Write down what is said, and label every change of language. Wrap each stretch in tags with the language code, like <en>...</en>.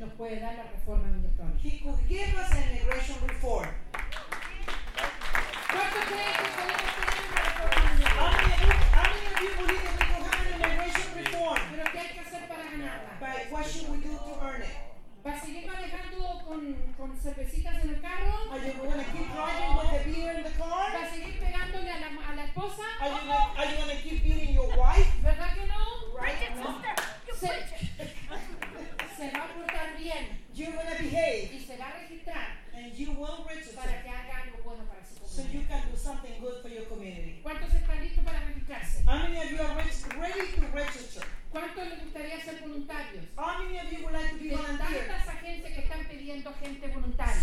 <es>nos puede dar la reforma migratoria.</es> <en>He could give us an immigration reform. How many of you believe that we could have an immigration reform?</en> <es>Pero ¿qué hay que hacer para ganarla?</es> <en>But what should we do to earn it?</en> <es>¿Va a seguir manejando con cervecitas en el carro?</es> <en>Are you going to keep driving with the beer in the car?</en> <es>¿Va a seguir pegándole a la esposa?</es> <en>Are you going to keep beating your wife?</en> <es>¿Verdad que no?</es> <en>Right. Preach it, sister. You preach it.</en> <es>Se va a portar bien.</es> <en>You're going to behave.</en> <es>Y se va a registrar.</es> <en>And you will register.</en> <es>Para que haga algo bueno para su</es> <en>community. So you can do something good for your community.</en> <es>¿Cuántos están listos para registrarse?</es> <en>How many of you are ready to register?</en> <es>¿Cuántos les gustaría ser voluntarios?</es> <en>How many of you would like to be volunteers?</en> <es>De tantas agencias que están pidiendo gente voluntaria.</es>